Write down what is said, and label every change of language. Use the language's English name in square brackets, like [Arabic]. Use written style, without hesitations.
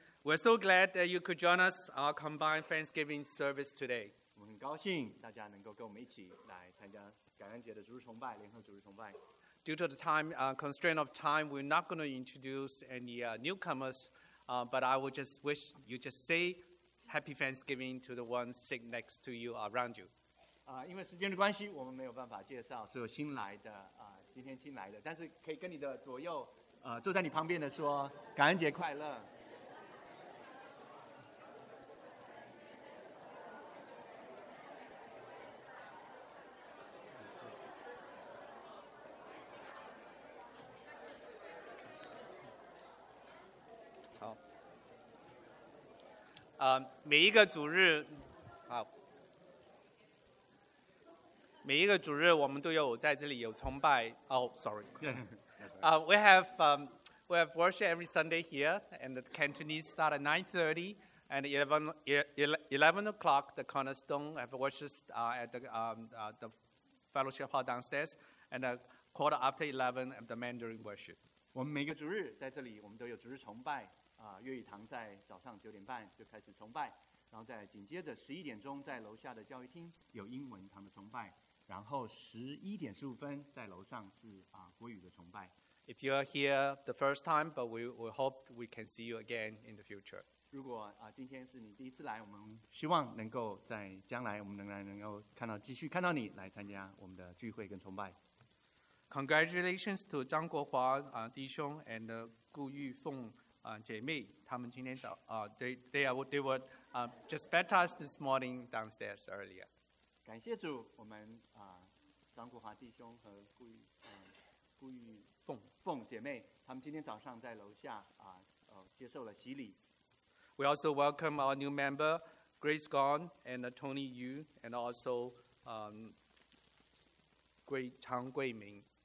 [English] We're so glad that you could join us our combined Thanksgiving service today. [Chinese] 我们很高兴大家能够跟我们一起来参加感恩节的主日崇拜，联合主日崇拜。 [English] Due to the time, constraint of time, we're not going to introduce any newcomers, but I would just wish you just say Happy Thanksgiving to the one sitting next to you, around you. [Chinese] 因为时间的关系，我们没有办法介绍所有新来的，今天新来的，但是可以跟你的左右，坐在你旁边的说，感恩节快乐。每一个主日，每一个主日我们都有在这里有崇拜。 [English] We have worship every Sunday here, and the Cantonese start at 9:30, and 11 o'clock the Cornerstone have worship at the fellowship hall downstairs, and a quarter after 11 at the Mandarin worship. [Chinese] 我们每个主日在这里，我们都有主日崇拜。粤语堂在早上九点半就开始崇拜，然后在紧接着十一点钟在楼下的教育厅有英文堂的崇拜，然后11:15在楼上是国语的崇拜。 [English] If you are here the first time, but we hope we can see you again in the future. [Chinese] 如果今天是你第一次来，我们希望能够在将来我们仍然能够继续看到你来参加我们的聚会跟崇拜。 [English] Congratulations to 张国华弟兄 and 顾玉凤。 [Chinese] 姐妹，她们今天早 [English] they were just baptized this morning downstairs earlier. [Chinese] 感谢主，我们张国华弟兄和顾玉凤姐妹，她们今天早上在楼下接受了洗礼。 [English] We also welcome our new member Grace Gong and Tony Yu, and also Chang Guiming.